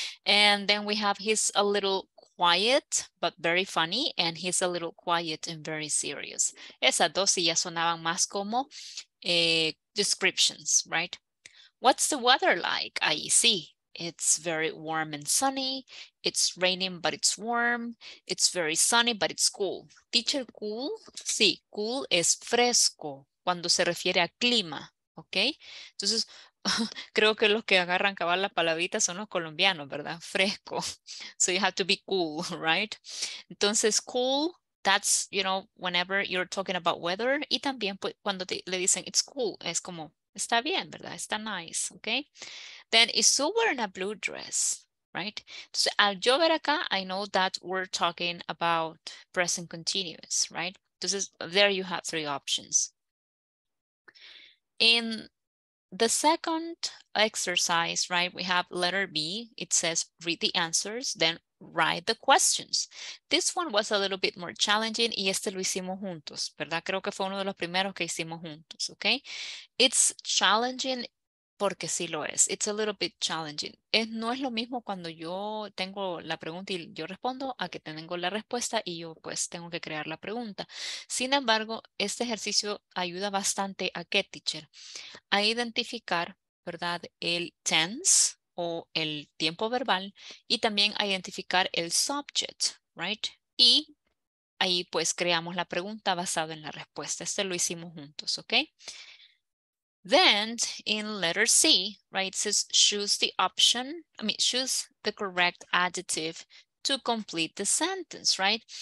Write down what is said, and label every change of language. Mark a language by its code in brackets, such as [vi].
[en] And then we have he's a little quiet, but very funny, and he's a little quiet and very serious. [es] Esas dos sí ya sonaban más como descriptions, right? [en] What's the weather like? [es] Ahí sí, [en] it's very warm and sunny. It's raining, but it's warm. It's very sunny, but it's cool. Teacher, cool? [es] Sí, cool es fresco cuando se refiere a clima. Ok, entonces creo que los que agarran cabal la palabrita son los colombianos, ¿verdad? [en] Fresco. So you have to be cool, right? Entonces, cool, that's, you know, whenever you're talking about weather. [es] Y también pues, cuando le dicen [en] it's cool, [es] es como, está bien, ¿verdad? Está nice, [en] ¿ok? Then, is Sue wearing a blue dress, right? [es] Entonces, al yo ver acá, [en] I know that we're talking about present continuous, right? Entonces, there you have three options. In the second exercise, right, we have letter B. It says read the answers, then write the questions. This one was a little bit more challenging, [es] y este lo hicimos juntos, [en] ¿verdad? [es] Creo que fue uno de los primeros que hicimos juntos, okay? [en] It's challenging [es] porque sí lo es. [en] It's a little bit challenging. [es] Es, no es lo mismo cuando yo tengo la pregunta y yo respondo a que tengo la respuesta y yo pues tengo que crear la pregunta. Sin embargo, este ejercicio ayuda bastante a qué, teacher, a identificar, ¿verdad?, el tense o el tiempo verbal y también a identificar el subject, right? Y ahí pues creamos la pregunta basada en la respuesta. Este lo hicimos juntos, ¿ok? [en] Then in letter C, right, it says choose the correct adjective to complete the sentence, right?